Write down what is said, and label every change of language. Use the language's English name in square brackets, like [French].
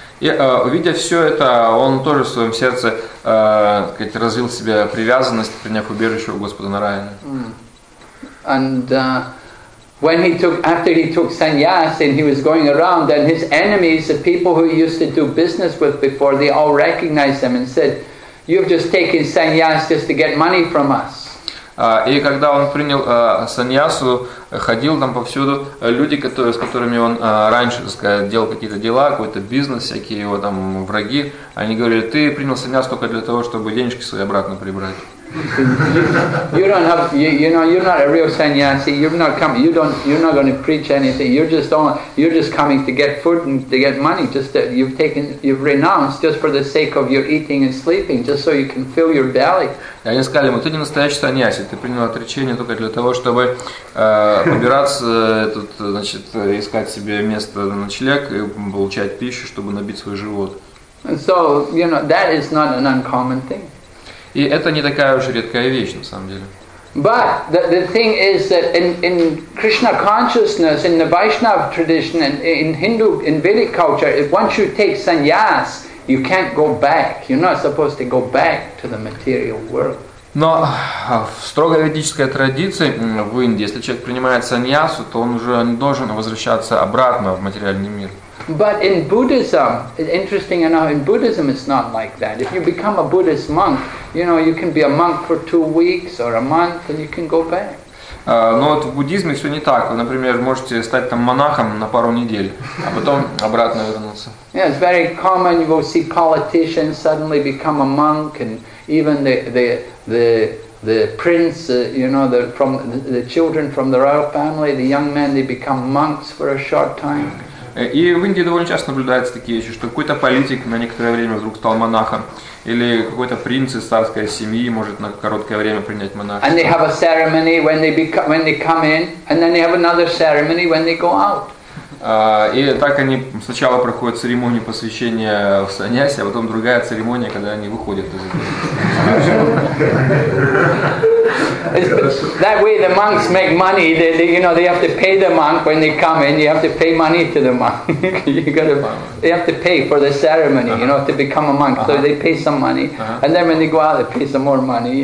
[Russian] И увидя все это, он тоже в своем сердце развил в себе привязанность, приняв убежище у Господа Нараяны. [English] And when after he took sannyas and he was going around, then his enemies, the people who he used to do business with before, they all recognized him and said, "You've just taken sannyas just to get money from us." [Russian] И когда он принял саньясу, ходил там повсюду, люди, с которыми он раньше, так сказать, делал какие-то дела, какой-то бизнес, всякие его там враги, они говорили, ты принял саньясу только для того, чтобы денежки свои обратно прибрать. [English] You don't have, you know, you're not a real sannyasi, you're not coming, you're not going to preach anything, you're just coming to get food and to get money, just that you've renounced just for the sake of your eating and sleeping, just so you can fill your belly. [Russian] И они сказали ему, ты не настоящий саньяси, ты принял отречение только для того, чтобы выбираться тут, значит, искать себе место на ночлег и получать пищу, чтобы набить свой живот. [English] So, you know, that is not an uncommon thing. [Russian] И это не такая уж редкая вещь, на самом деле. [English] But the thing is that in Krishna consciousness, in the Vaishnava tradition, in Hindu, in Vedic culture, if once you take sannyas, you can't go back. You're not supposed to go back to the material world. [Russian] Но в строгой ведической традиции в Индии, если человек принимает саньясу, то он уже не должен возвращаться обратно в материальный мир. [English] But in Buddhism, interesting enough, in Buddhism it's not like that. If you become a Buddhist monk, you know, you can be a monk for 2 weeks or a month and you can go back. [Russian] Но вот в буддизме все не так. Вы, например, можете стать там монахом на пару недель, а потом обратно вернуться. [English] Yeah, it's very common. You will see politicians suddenly become a monk, and even the prince, you know, the children from the royal family, the young men, they become monks for a short time. [Russian] И в Индии довольно часто наблюдаются такие вещи, что какой-то политик на некоторое время вдруг стал монахом, или какой-то принц из царской семьи может на короткое время принять монашество. [English] And they have a ceremony when they come in, and then they have another ceremony when they go out. [Russian] И так они сначала проходят церемонию посвящения в саньясе, а потом другая церемония, когда они выходят из этого. [English] That way the monks make money. They, you know, they have to pay the monk when they come in. You have to pay money to the monk. They have to pay for the ceremony, you know, to become a monk. So they pay some money, and then when they go out, they pay some more money.